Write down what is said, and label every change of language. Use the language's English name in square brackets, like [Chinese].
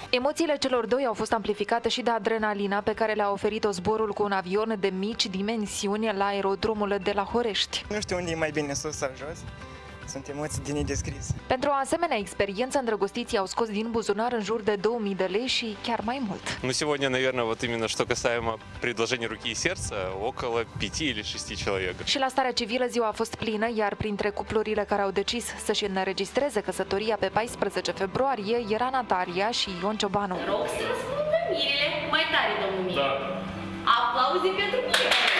[Romanian] Emoțiile celor doi au fost amplificate și de adrenalina pe care le-a oferit-o zborul cu un avion de mici dimensiuni la aerodromul de la Horești. Nu știu unde e mai bine, sus sau jos. Sunt emoții de nedescris. Pentru o asemenea experiență, îndrăgostiții au scos din buzunar în jur de 2000 de lei și chiar mai mult. [Russian] Ну сегодня, наверное, вот именно что касаемо предложения руки и сердца, около 5 или 6 человек. [Romanian] Și la starea civilă ziua a fost plină, iar printre cuplurile care au decis să și înregistreze căsătoria pe 14 februarie era Natalia și Ion Ciobanu. Rog să răspundă mirele mai tare, domnule. Da. Aplauze pentru mine.